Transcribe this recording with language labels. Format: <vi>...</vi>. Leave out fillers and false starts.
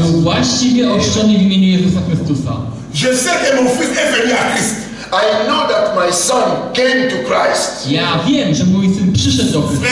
<pl>Był właściwie ochrzczony w imieniu Jezusa Chrystusa.</pl> <fr>Je sais que mon fils est venu à Christ.</fr> <en>I know that my son came to Christ.</en> <pl>Ja wiem, że mój syn przyszedł do Chrystusa.</pl>